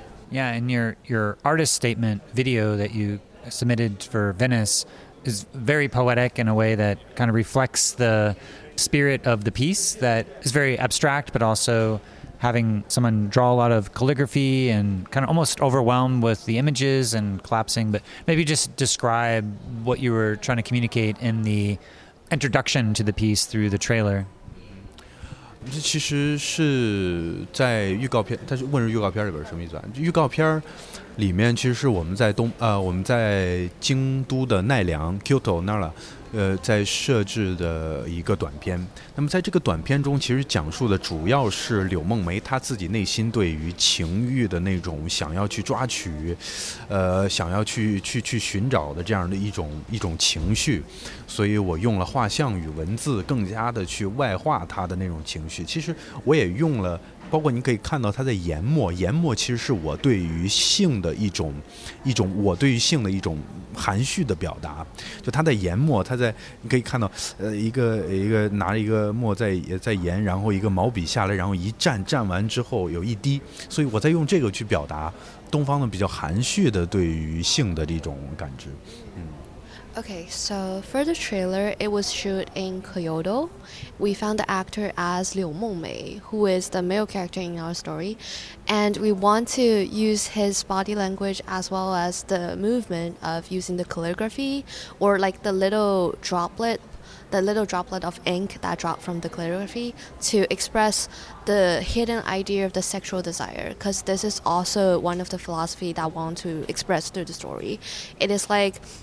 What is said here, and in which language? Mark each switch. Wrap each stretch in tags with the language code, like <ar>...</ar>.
<en>Yeah, and your artist statement video that you submitted for Venice is very poetic in a way that kind of reflects the spirit of the piece that is very abstract but also having someone draw a lot of calligraphy and kind of almost overwhelmed with the images and collapsing but maybe just describe what you were trying to communicate in the introduction to the piece through the trailer</en> <zh>这其实是在预告片它是问是预告片里边什么意思啊预告片里面其实是我们在京都的奈良 Kyoto 那儿了在设置的一个短片那么在这个短片中其实讲述的主要是柳梦梅她自己内心对于情欲的那种想要去抓取想要去寻找的这样的一种情绪所以我用了画像与文字更加的去外化她的那种情绪其实我也用了包括你可以看到她在研磨其实是我对于性的一种我对于性的一种含蓄的表达就她在研磨他在你可以看到一个拿了一个墨在研然后一个毛笔下来然后一蘸完之后有一滴所以我在用这个去表达东方的比较含蓄的对于性的这种感知</zh> <en>Okay, so for the trailer, it was shot in Kyoto. We found the actor as Liu Mengmei, who is the male character in our story. And we want to use his body language as well as the movement of using the calligraphy or like the little droplet of ink that dropped from the calligraphy to express the hidden idea of the sexual desire because this is also one of the philosophy that I want to express through the story. It is like...</en>